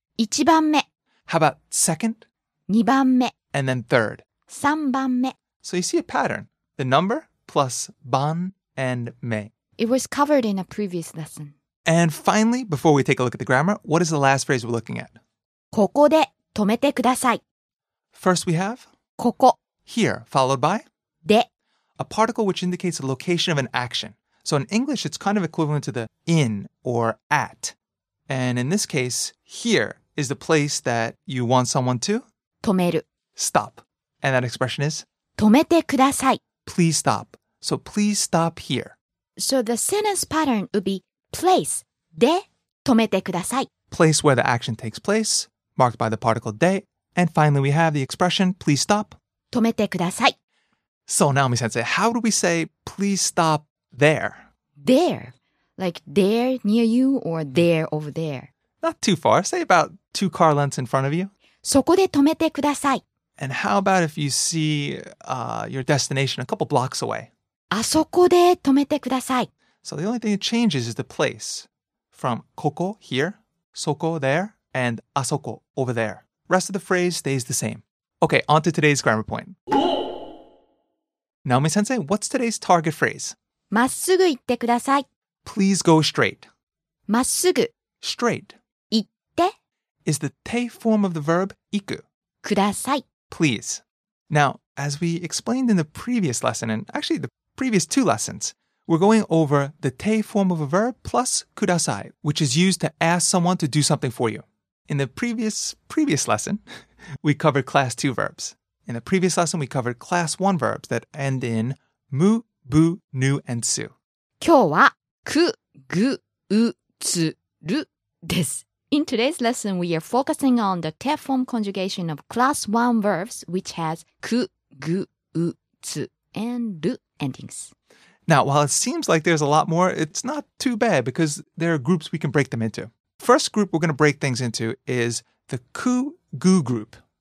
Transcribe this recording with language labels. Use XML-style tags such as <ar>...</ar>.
<ja>一番目.</ja> <en>How about second?</en> <ja>二番目.</ja> <en>And then third?</en> <ja>三番目.</ja> <en>So you see a pattern. The number plus 番 and 目. It was covered in a previous lesson. And finally, before we take a look at the grammar, what is the last phrase we're looking at?</en> <ja>ここで止めてください.</ja> <en>First we have?</en> <ja>ここ.</ja> <en>Here, followed by?</en> <ja>で.</ja> <en>A particle which indicates the location of an action. So in English, it's kind of equivalent to the in or at. And in this case, here is the place that you want someone to?</en> <ja>止める.</ja> <en>Stop. And that expression is?</en> <ja>止めてください.</ja> <en>Please stop. So please stop here. So the sentence pattern would be place で止めてください. Place where the action takes place, marked by the particle で. And finally, we have the expression, please stop.</en> <ja>止めてください.</ja> <en>So Naomi-sensei, how do we say please stop? There. There. Like there near you or there over there. Not too far. Say about two car lengths in front of you.</en> <ja>そこで止めてください.</ja> <en>And how about if you see your destination a couple blocks away?</en> <ja>あそこで止めてください.</ja> <en>So the only thing that changes is the place. From ここ, here, そこ, there, and あそこ, over there. Rest of the phrase stays the same. Okay, on to today's grammar point. Naomi-sensei, what's today's target phrase?</en> <ja>まっすぐ行ってください。</ja> <en>Please go straight.</en> <ja>まっすぐ。</ja> <en>Straight.</en> <ja>行って。</ja> <en>Is the te form of the verb 行く。</en> <ja>ください。</ja> <en>Please. Now, as we explained in the previous lesson, and actually the previous two lessons, we're going over the te form of a verb plus ください, which is used to ask someone to do something for you. In the previous lesson, we covered class two verbs. In the previous lesson, we covered class one verbs that end in むぶ、ぬ、and す。</en> <ja>今日は、く、ぐ、う、つ、るです。</ja> <en>In today's lesson, we are focusing on the te form conjugation of class 1 verbs, which has く、ぐ、う、つ、and る endings. Now, while it seems like there's a lot more, it's not too bad because there are groups we can break them into. First group we're going to break things into is the く、ぐ group.</en>